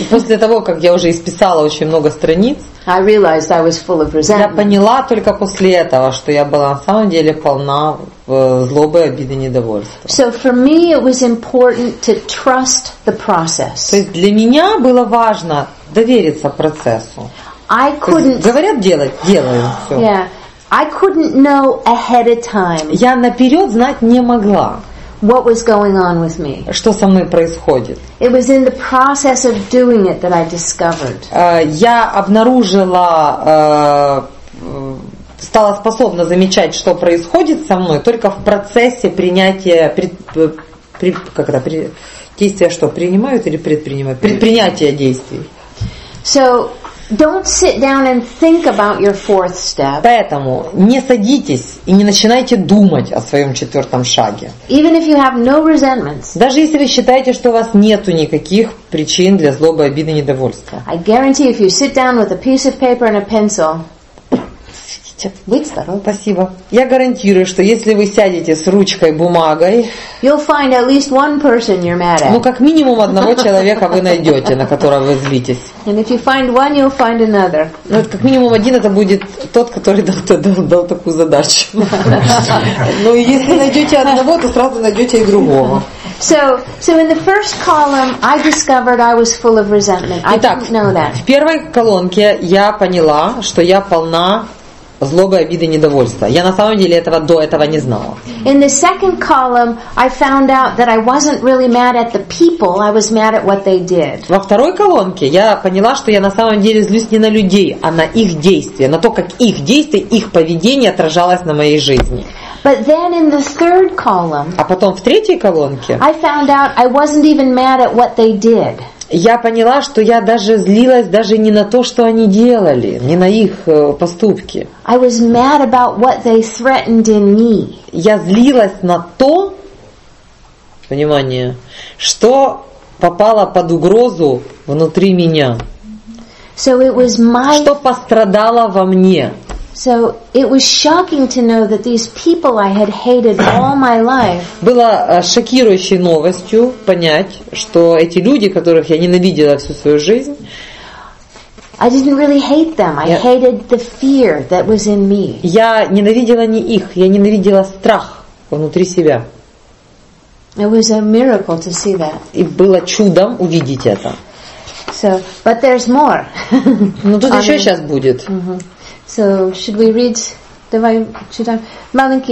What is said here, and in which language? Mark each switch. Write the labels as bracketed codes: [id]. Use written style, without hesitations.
[ru] после того, как я уже исписала очень много страниц, [en] I realized I was full of resentment. [ru] Я поняла только после этого, что я была на самом деле полна злобы, обиды, недовольства. [en] So for me it was important to trust the process. [ru] То есть для меня было важно довериться процессу. [en] I couldn't. [ru] Говорят делать, делаю все. [en] Yeah, I couldn't know ahead of time. [ru] Я наперед знать не могла. [en] What was going on with me? [ru] Что со мной происходит? [en] It was in the process of doing it that I discovered. [ru] Я обнаружила, стала способна замечать, что происходит со мной только в процессе принятия предпринятия действий. [en] So don't sit down and think about your fourth step. [ru] Поэтому не садитесь и не начинайте думать о своем четвертом шаге. [en] Even if you have no resentments. [ru] Даже если вы считаете, что у вас нету никаких причин для злобы, обиды, недовольства. [en] I guarantee if you sit down with a piece of paper and a pencil. [ru] Спасибо. Я гарантирую, что если вы сядете с ручкой, бумагой, [en] you'll find at least one person you're mad at. [ru] Ну, как минимум одного человека вы найдете, на которого вы злитесь. [en] And if you find one, you'll find another. [ru] Ну, вот как минимум один это будет тот, который дал такую задачу. Ну, если найдете одного, то сразу найдете и другого. [en] So in the first column I discovered I was full of resentment. I didn't know that. [ru] В первой колонке я поняла, что я полна злобы, обиды, недовольства. Я на самом деле этого до этого не знала. [en] In the second column I found out that I wasn't really mad at the people, I was mad at what they did. [ru] Во второй колонке я поняла, что я на самом деле злюсь не на людей, а на их действия, на то, как их действия, их поведение отражалось на моей жизни. [en] But then in the third column, [ru] а потом в третьей колонке, [en] I found out I wasn't even mad at what they did. [ru] Я поняла, что я даже злилась даже не на то, что они делали, не на их поступки. [en] I was mad about what they threatened in me. [ru] Я злилась на то, внимание, что попало под угрозу внутри меня. [en] So it was my... [ru] Что пострадало во мне. [en] So it was shocking to know that these people I had hated all my life. [ru] Было шокирующей новостью понять, что эти люди, которых я ненавидела всю свою жизнь, [en] I didn't really hate them. I hated the fear that was in me. [ru] Я ненавидела не их, я ненавидела страх внутри себя. [en] It was a miracle to see that. [ru] И было чудом увидеть это. [en] So, but there's more. [ru] Но тут еще сейчас будет. [en] So should we read? [ru] Давай читаем. Маленький.